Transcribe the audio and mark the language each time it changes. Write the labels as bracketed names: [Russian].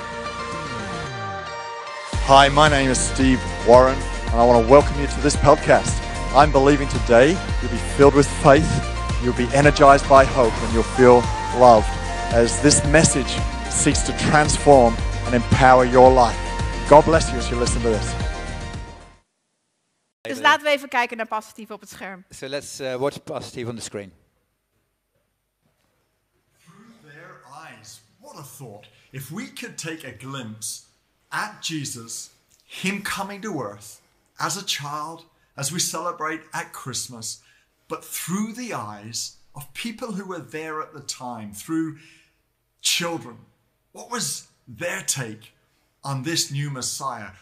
[English] Hi, my name is Steve Warren, and I want to welcome you to this podcast. I'm believing today you'll be filled with faith, you'll be energized by hope, and you'll feel loved as this message seeks to transform and empower your life. God bless you as you listen to this. [Dutch] Dus laten we even kijken naar positief op het scherm. [English] So let's watch positive on the screen. Through their eyes, what a thought. If we could take a glimpse at Jesus, him coming to earth as a child, as we celebrate at Christmas, but through the eyes of people who were there at the time, through children, what was their take on this new Messiah?